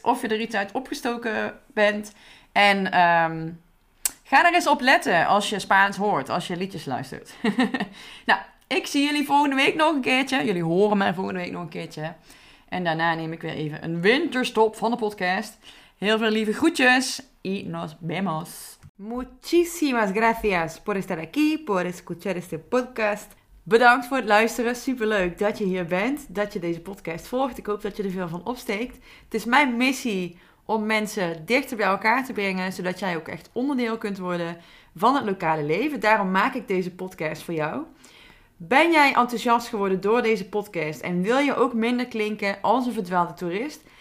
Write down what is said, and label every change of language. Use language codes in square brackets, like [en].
[nl] Of je er iets uit opgestoken bent. En ga er eens op letten als je Spaans hoort. Als je liedjes luistert. Nou, ik zie jullie volgende week nog een keertje. Jullie horen mij volgende week nog een keertje. En daarna neem ik weer even een winterstop van de podcast. Heel veel lieve groetjes. [es] Y nos vemos. Muchísimas gracias por estar aquí, por escuchar este podcast. [nl] Bedankt voor het luisteren. Superleuk dat je hier bent, dat je deze podcast volgt. Ik hoop dat je er veel van opsteekt. Het is mijn missie om mensen dichter bij elkaar te brengen, zodat jij ook echt onderdeel kunt worden van het lokale leven. Daarom maak ik deze podcast voor jou. Ben jij enthousiast geworden door deze podcast en wil je ook minder klinken als een verdwaalde toerist?